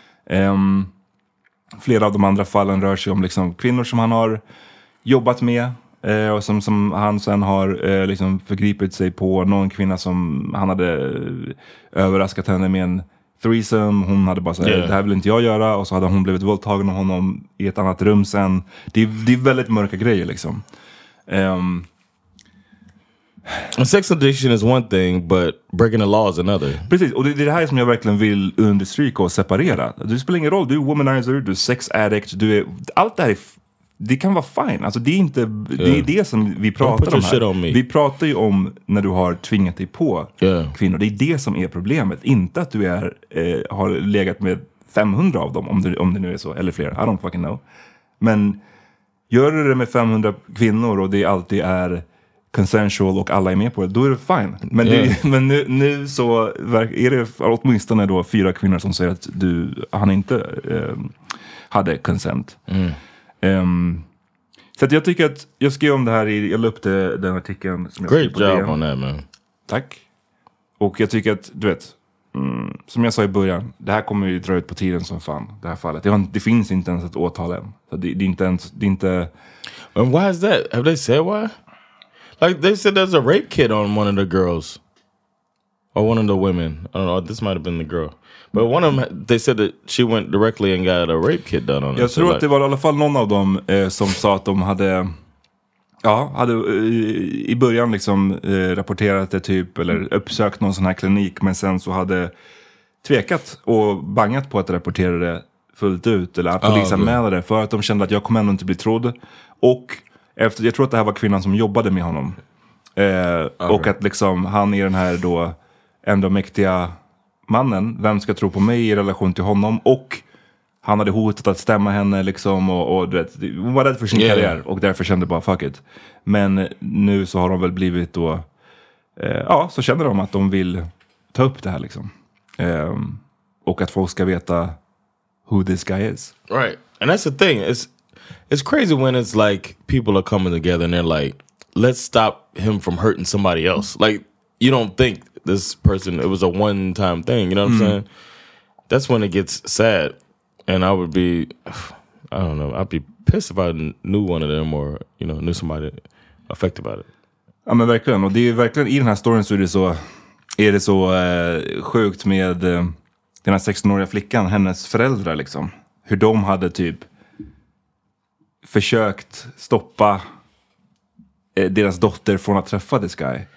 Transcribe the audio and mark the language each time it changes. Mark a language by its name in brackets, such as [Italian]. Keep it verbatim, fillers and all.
[Swedish] Um, flera av de andra fallen rör sig om liksom kvinnor som han har jobbat med eh, och som, som han sen har eh, liksom förgripit sig på. Någon kvinna som han hade överraskat henne med en threesome. Hon hade bara sagt, [English] yeah. [Swedish] det här vill inte jag göra, och så hade hon blivit våldtagen av honom i ett annat rum sen. Det är, det är väldigt mörka grejer liksom. um, [English] Sex addiction is one thing, but breaking the law is another. [Swedish] Precis, och det, det är det här som jag verkligen vill understryka och separera. Det spelar ingen roll, du är womanizer, du är sex addict, du är, allt det här är, det kan vara fine. Alltså det är inte, [English] yeah. [Swedish] det är det som vi pratar om här. Vi pratar ju om när du har tvingat dig på [English] yeah. [Swedish] kvinnor. Det är det som är problemet, inte att du är, eh, har legat med fem hundra av dem, om det, om det nu är så, eller fler, [English] I don't fucking know. [Swedish] Men gör du det med fem hundra kvinnor och det alltid är consensual och alla är med på det, då är det fine. Men, [English] yeah. [Swedish] det, men nu, nu så är det åtminstone då fyra kvinnor som säger att du, han inte eh, hade consent. Mm. Um, så att jag tycker att jag skrev om det här i, jag la upp det, den artikeln som jag [English] Great job D M. On that, man. [Swedish] Tack. Och jag tycker att, du vet, mm, som jag sa i början, det här kommer ju dra ut på tiden som fan, det här fallet. Det, har, det finns inte ens ett åtal än. Så det, det är inte ens, det är inte... [English] And why is that? Have they said why? Like, they said there's a rape kit on one of the girls. Or one of the women. I don't know. This might have been the girl. But one of them, they said that she went directly and got a rape kit done on her. [Swedish] Jag tror so, att [English] like, [Swedish] det var i alla fall någon av dem eh, som sa att de hade... Ja, hade i, i början liksom eh, rapporterat det typ. Eller uppsökt någon sån här klinik. Men sen så hade tvekat och bangat på att rapportera det fullt ut. Eller att polisanmäla det. För att de kände att jag kommer ändå inte bli trodd. Och... Efter, jag tror att det här var kvinnan som jobbade med honom. Eh, [English] okay. [Swedish] Och att liksom han är den här då ändå mäktiga mannen. Vem ska tro på mig i relation till honom? Och han hade hotat att stämma henne liksom. Och, och, du vet, hon var rädd för sin [English] yeah. [Swedish] karriär. Och därför kände bara [English] fuck it. [Swedish] Men nu så har de väl blivit då. Eh, ja, så känner de att de vill ta upp det här liksom. Eh, och att folk ska veta [English] who this guy is. Right. And that's the thing. It's It's crazy when it's like people are coming together and they're like, let's stop him from hurting somebody else. Like, you don't think this person, it was a one-time thing, you know what mm. I'm saying? That's when it gets sad. And I would be, I don't know, I'd be pissed if I knew one of them or, you know, knew somebody affected by it. [Swedish] Ja, men verkligen. Och det är ju verkligen, i den här storyn så är det så, är det så eh, sjukt med eh, den här sexton-åriga flickan, hennes föräldrar liksom. Hur de hade typ... försökt stoppa eh, deras dotter från att träffa [English] this guy.